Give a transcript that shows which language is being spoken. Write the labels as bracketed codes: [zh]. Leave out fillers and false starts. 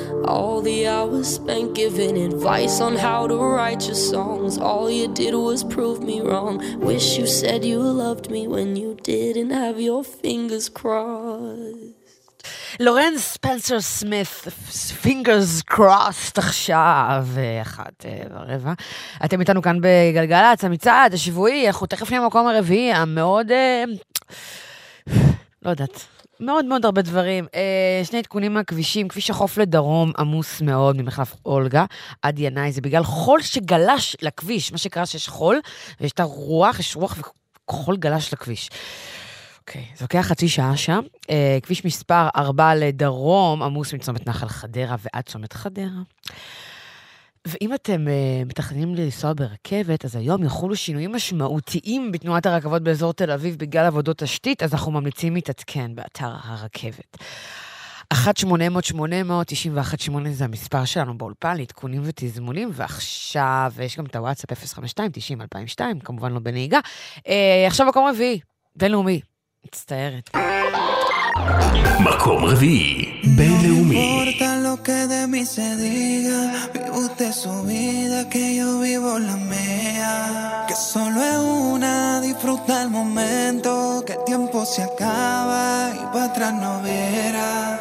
[en] All the hours spent giving advice on how to write your songs. All you did was prove me wrong. Wish you said you loved me when you didn't have your fingers crossed. [he] לורן ספנסר סמית, פינגרס קרוסט עכשיו, אחת ורבע. אתם איתנו כאן בגלגלצ, המצעד, השבועי, אנחנו תכף נהיה מקום הרביעי, המאוד, לא יודעת, מאוד מאוד הרבה דברים. שני תקונים מהכבישים, כביש החוף לדרום, עמוס מאוד ממחלף אולגה, עד ינאי, זה בגלל חול שגלש לכביש, מה שקרה שיש חול, ויש את הרוח, יש רוח וחול גלש לכביש. אוקיי, זה לוקח חצי שעה שם. כביש מספר 4 לדרום, עמוס מצומת נחל חדרה ועד צומת חדרה. ואם אתם מתכננים לנסוע ברכבת, אז היום יחולו שינויים משמעותיים בתנועת הרכבות באזור תל אביב בגלל עבודות תשתית, אז אנחנו ממליצים להתעדכן באתר הרכבת. 1-800-800-918 זה המספר שלנו באולפן, להתכונים ותזמונים, ועכשיו יש גם את הוואטסאפ 052-90-2002, כמובן לא בנהיגה. עכשיו מקום רביעי, בינלאומי. מצטערת. מקום רביעי בינלאומי. [es] No importa lo que de mí se diga, vive usted su vida, que yo vivo la mía. Que solo es una, disfruta el momento, que el tiempo se acaba y pa' atrás no verá.